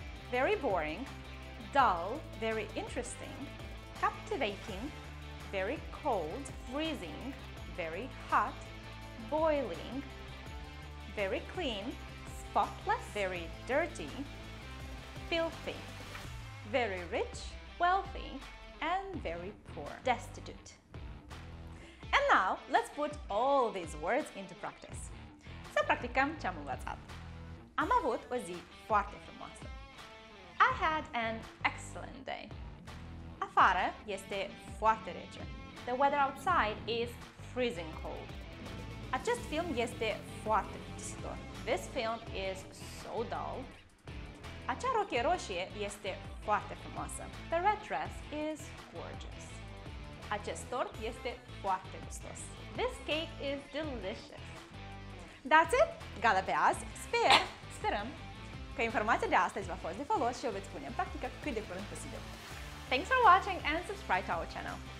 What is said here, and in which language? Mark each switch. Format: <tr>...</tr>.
<en>very boring, dull, very interesting, captivating, very cold, freezing, very hot, boiling, very clean, spotless, very dirty, filthy, very rich, wealthy, and very poor, destitute. And now, let's put all these words into practice.</en> <ro>Să practicăm ce am învățat. Am avut o zi foarte frumoasă.</ro> <en>I had an excellent day.</en> <ro>Afară este foarte rece.</ro> <en>The weather outside is freezing cold.</en> <ro>Acest film este foarte plictisitor.</ro> <en>This film is so dull.</en> <ro>Acea rochie roșie este foarte frumoasă.</ro> <en>The red dress is gorgeous.</en> <ro>Acest tort este foarte gustos.</ro> <en>This cake is delicious. That's it!</en> <ro>Gata pe azi! Sperăm! Că informația de astăzi v-a fost de folos și o veți pune în practică cât de curând posibil.</ro> <en>Thanks for watching and subscribe to our channel.</en>